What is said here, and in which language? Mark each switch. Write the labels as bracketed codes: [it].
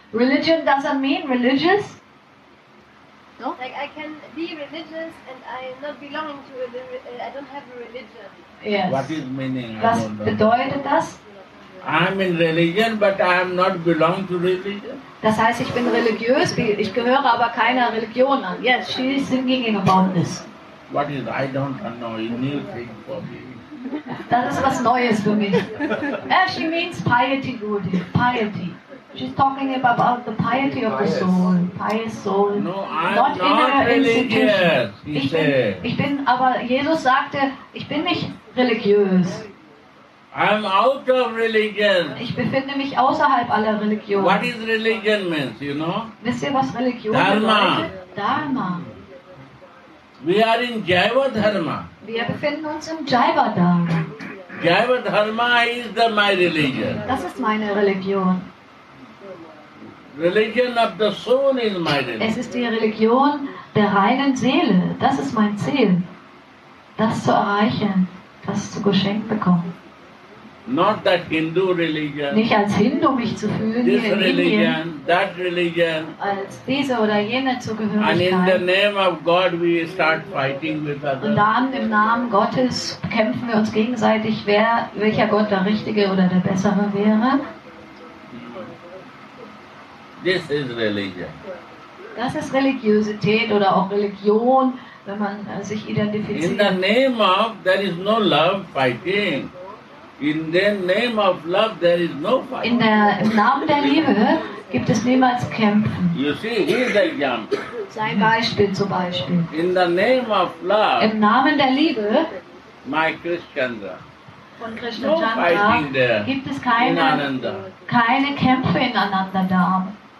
[en] Religion doesn't mean religious. No? Like I can be religious and I'm not belonging to a, I don't have a religion. Yes. What is meaning? [de] Was bedeutet das? [en] I'm in religion, but I am not belong to religion. [de] Das heißt, ich bin religiös, ich gehöre aber keiner Religion an. [en] Yes, she is thinking about this. What is, I don't know, a new thing for me. [de] Das ist was Neues für mich. [en] She means piety, Guru. Piety. She's talking about the piety of pious. The soul. Pious soul. No, I'm not in a religious. [de] Ich bin, aber Jesus sagte, ich bin nicht religiös. [en] I'm out of religion. [de] Ich befinde mich außerhalb aller Religion. [en] What is religion means, you know? [de] Wisst ihr, was Religion [en] Dharma. [de] Bedeutet? Dharma. [en] We are in Jaiva Dharma. [de] Wir befinden uns im Jaiva Dharma. [en] Jaiva Dharma is the my religion. [de] Das ist meine Religion. [en] Religion of the soul is my religion. [de] Es ist die Religion der reinen Seele. Das ist mein Ziel. Das zu erreichen, das zu geschenkt bekommen. [en] Not that Hindu religion. [de] Nicht als Hindu mich zu fühlen. [en] This religion, that religion. [de] Als diese oder jene Zugehörigkeit. [en] And in the name of God we start fighting with others. [de] Und dann im Namen Gottes kämpfen wir uns gegenseitig, welcher Gott der richtige oder der bessere wäre. [en] This is religion. [de] Das ist Religiosität oder auch Religion, wenn man sich identifiziert. [en] In the name of, there is no love fighting. In the name of love, there is no fight. [de] In der im Namen der Liebe gibt es niemals Kämpfen. [en] You see, here's the example. [de] Sein Beispiel zum Beispiel. [en] In the name of love. [de] Im Namen der Liebe. [en] My Krishna. [de] Von Krishna gibt es keine Kämpfe in Ananda Dharma.